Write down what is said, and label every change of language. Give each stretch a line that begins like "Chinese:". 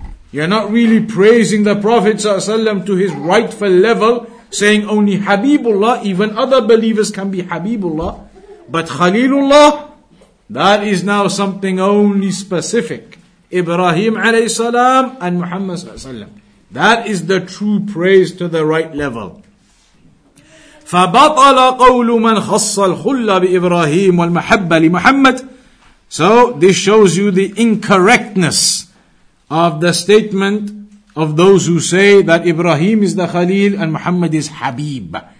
English: You're not really praising the Prophet ﷺ to his rightful level, saying only Habibullah, even other believers can be Habibullah. But Khalilullah, that is now something only specific. Ibrahim alayhi salam and Muhammad ﷺ. That is the true praise to the right level.
Arabic: فبطل قول من خص الخلة بإبراهيم والمحبة لمحمد.
English: So this shows you the incorrectness of the statement of those who say that Ibrahim is the Khalil and Muhammad is Habib.